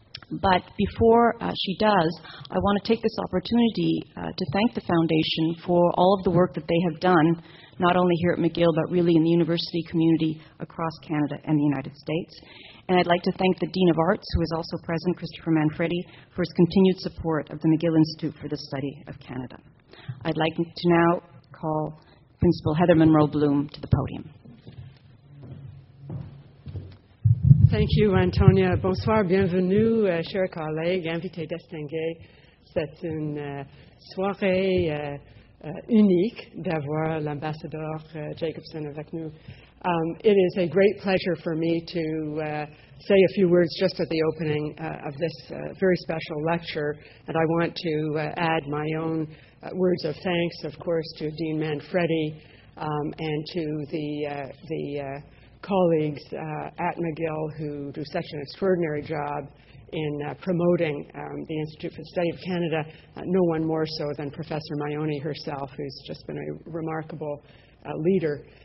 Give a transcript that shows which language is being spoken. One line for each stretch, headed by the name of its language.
English: But before she does, I want to take this opportunity to thank the Foundation for all of the work that they have done, not only here at McGill, but really in the university community across Canada and the United States. And I'd like to thank the Dean of Arts, who is also present, Christopher Manfredi, for his continued support of the McGill Institute for the Study of Canada. I'd like to now call Principal Heather Monroe Bloom to the podium. Thank you, Antonia.
French: Bonsoir, bienvenue, chers collègues, invités distingués. C'est une soirée unique d'avoir l'ambassadeur Jacobson avec nous.
English: It is a great pleasure for me to say a few words just at the opening of this very special lecture, and I want to add my own words of thanks, of course, to Dean Manfredi and to the colleagues at McGill who do such an extraordinary job in promoting the Institute for the Study of Canada, no one more so than Professor Maione herself, who's just been a remarkable leader.